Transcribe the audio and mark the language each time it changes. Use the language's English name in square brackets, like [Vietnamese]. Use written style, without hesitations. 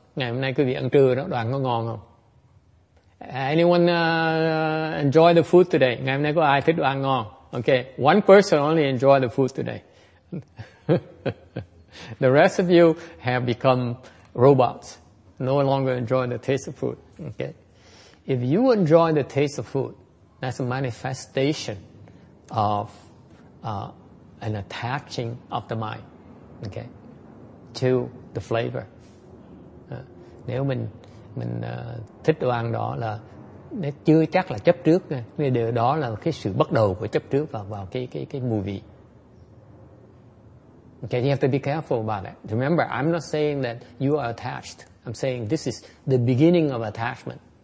[Vietnamese] Ngày hôm nay quý vị ăn trưa đó, đoạn có ngon không? [English] Anyone enjoy the food today? [Vietnamese] Ngày hôm nay có ai thích đồ ăn ngon? [English] Okay, one person only enjoy the food today. The rest of you have become robots, no longer enjoy the taste of food. Okay, if you enjoy the taste of food, that's a manifestation of an attaching of the mind, okay, to the flavor. [Vietnamese] Nếu mình thích đồ ăn đó là nó chưa chắc là chấp trước, nên điều đó là cái sự bắt đầu của chấp trước vào cái mùi vị. [English] Okay, you have to be careful about it. Remember, I'm not saying that you are attached. I'm saying this is the beginning of attachment.